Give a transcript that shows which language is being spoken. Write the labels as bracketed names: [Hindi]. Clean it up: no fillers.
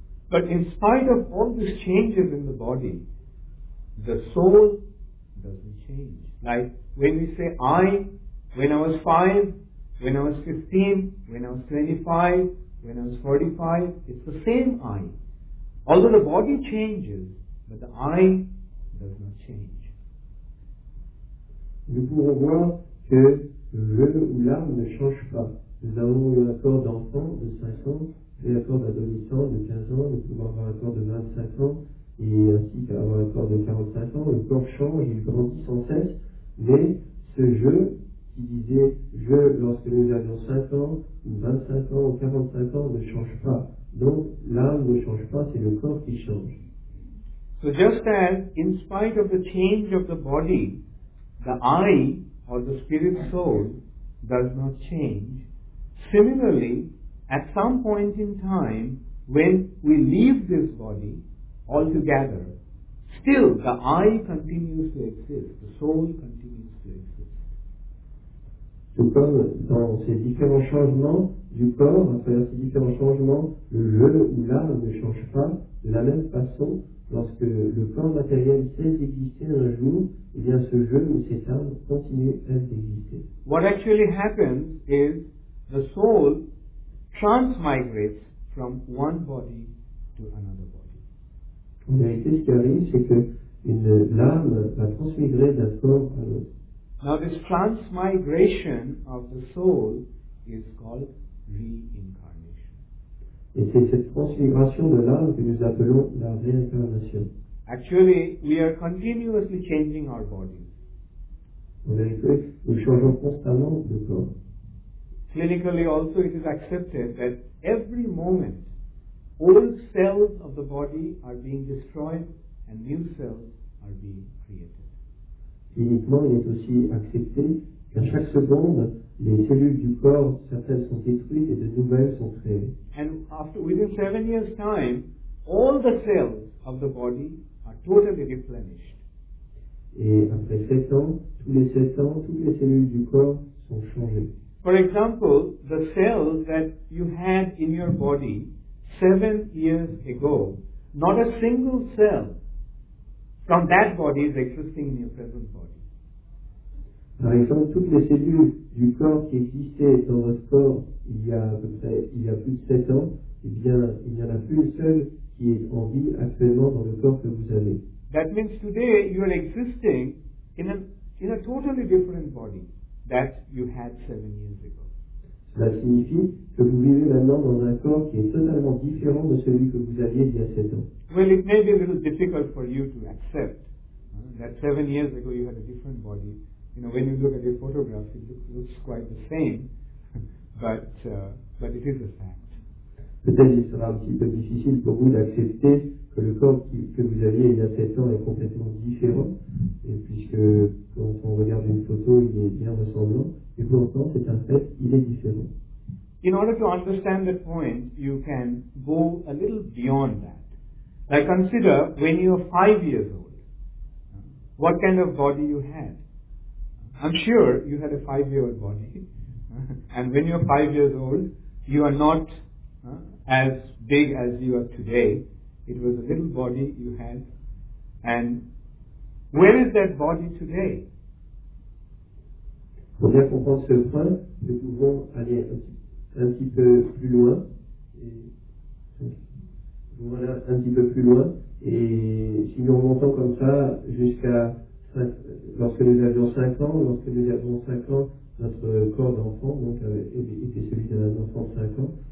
[English] But in spite of all these changes in the body, the soul doesn't change. Like when we say I, when I was 5, when I was 15, when I was 25, when I was 45, it's the same I. Although the body changes, But the eye does not change. [French] Nous pouvons voir que le ou l'âme ne change pas. Nous avons eu un corps d'enfant de 5 ans, puis un corps d'adolescent de 15 ans, nous pouvons avoir un corps de 25 ans, et ainsi qu'avoir un corps de 45 ans. Le corps change, il grandit sans cesse, mais ce je, qui disait je lorsque nous avions 5 ans, ou 25 ans, ou 45 ans, ne change pas. Donc l'âme ne change pas, c'est le corps qui change. [English] So just as, in spite of the change of the body, the I, or the spirit soul, does not change, similarly, at some point in time, when we leave this body altogether, still the I continues to exist, the soul continues to exist. [French] Tout comme dans ces différents changements du corps, à travers ces différents changements, le je ou l'âme ne change pas de la même façon. Lorsque le corps matériel cesse d'exister un jour, eh bien ce jeu ou cette âme continue à exister. [English] What actually happens is the soul transmigrates from one body to another body. [French] En vérité, ce qui arrive, c'est que l'âme va transmigrer d'un corps à l'autre. [English] Now this transmigration of the soul is called reincarnation. [French] Et c'est cette transmigration de l'âme que nous appelons la réincarnation. [English] Actually, we are continuously changing our bodies. [French] En vérité, nous changeons constamment de corps. [English] Clinically also, it is accepted that every moment, old cells of the body are being destroyed and new cells are being created. [French] Cliniquement, il est aussi accepté qu'à chaque seconde, les cellules du corps, certaines sont détruites et de nouvelles sont créées. [English] And after, within 7 years' time, all the cells of the body are totally replenished. [French] Et après 7 ans, toutes les cellules du corps sont changées. [English] For example, the cells that you had in your body 7 years ago, not a single cell from that body is existing in your present body. [French] Par exemple, toutes les cellules du corps qui existait dans votre corps il y a plus de 7 ans, eh bien, il n'y en a plus une seule qui est en vie actuellement dans le corps que vous avez. [English] That means today you are existing in a totally different body that you had 7 years ago. [French] Cela signifie que vous vivez maintenant dans un corps qui est totalement différent de celui que vous aviez il y a 7 ans. [English] Well, it may be a little difficult for you to accept that 7 years ago you had a different body. You know, when you look at your photograph, it looks quite the same, but it is a fact. [French] Peut-être il sera un petit peu difficile pour vous d'accepter que le corps que vous aviez il y a 7 ans est complètement différent, et puisque quand on regarde une photo, il est bien ressemblant, et pourtant c'est un fait, il est différent. [English] In order to understand the point, you can go a little beyond that. Like consider when you are 5 years old, what kind of body you had. I'm sure you had a 5-year-old body, and when you're 5 years old, you are not as big as you are today. It was a little body you had, and where is that body today? [French] Pour bien comprendre ce point, nous pouvons aller un petit peu plus loin. Voilà, un petit peu plus loin, et si nous remontons comme ça jusqu'à lorsque nous avions 5 ans, notre corps d'enfant donc, était celui d'un enfant de 5 ans.